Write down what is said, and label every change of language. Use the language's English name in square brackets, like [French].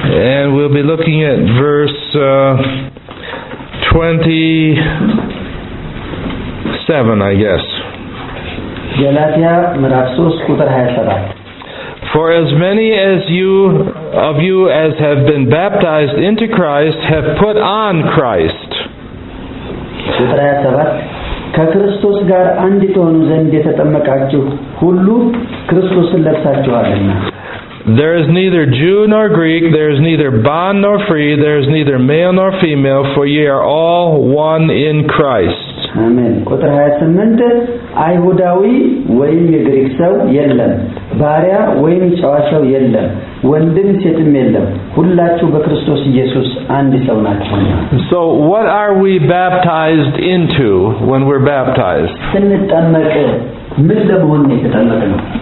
[English] And we'll be looking at verse 20 7 I guess [Amharic] Galatia ምዕራፍ 3 ቁጥር 27 [English] For as many as you as have been baptized into Christ have put on Christ [Amharic] ቁጥር 27 ከክርስቶስ ጋር አንድ ተሆኑ ዘንድ የተጠመቃችሁ ሁሉ ክርስቶስን ለብሳችኋልና [English] There is neither Jew nor Greek, there is neither bond nor free, there is neither male nor female, for ye are all one in Christ. Amen. [Amharic] قطر 28 አይሁዳዊ ወይም የግሪክ ሰው የለም ባሪያ ወይም ጨዋ ሰው የለም ወንድም ሴትም የለም ሁላችሁ በክርስቶስ ኢየሱስ አንድ ሰው ናችሁ። [English] So what are we baptized into when we're baptized? [Amharic] ስንጠመቅ ምን ለመሆን ነው የተጠመቅነው?